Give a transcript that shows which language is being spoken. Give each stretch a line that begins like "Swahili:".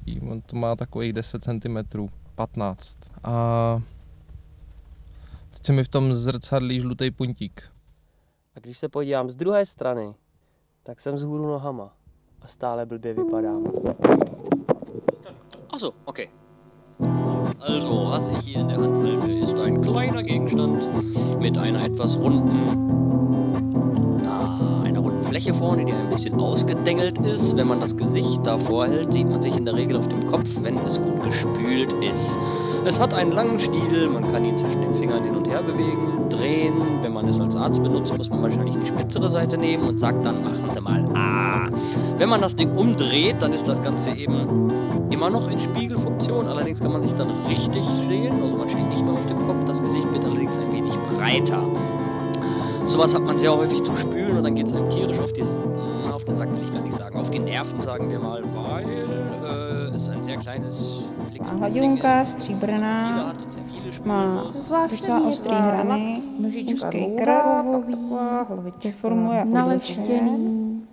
Czech: On to má takových 10 cm, 15. A teď se mi v tom zrcadlí žlutý puntík. A když se podívám z druhé strany, tak jsem vzhůru nohama a stále blbě vypadám.
German: Achso, ok. Also, was ich hier in der Hand halte, ist ein kleiner Gegenstand mit einer etwas runden, einer runden Fläche vorne, die ein bisschen ausgedengelt ist. Wenn man das Gesicht davor hält, sieht man sich in der Regel auf dem Kopf, wenn es gut gespült ist. Es hat einen langen Stiel, man kann ihn zwischen den Fingern hin und her bewegen, drehen. Wenn man es als Arzt benutzt, muss man wahrscheinlich die spitzere Seite nehmen und sagt dann, machen Sie mal ah. Wenn man das Ding umdreht, dann ist das Ganze eben immer noch in Spiegelfunktion, allerdings kann man sich dann richtig sehen, also man steht nicht mehr auf dem Kopf, das Gesicht wird allerdings ein wenig breiter. Sowas hat man sehr häufig zu spülen und dann geht es einem tierisch auf den Sack, will ich gar nicht sagen, auf die Nerven, sagen wir mal, weil es ein sehr kleines Blickartiges Ding ist.
Czech: Hladinka, stříbrná, má docela ostrý hrany, nožička krávový, deformuje naleštěný.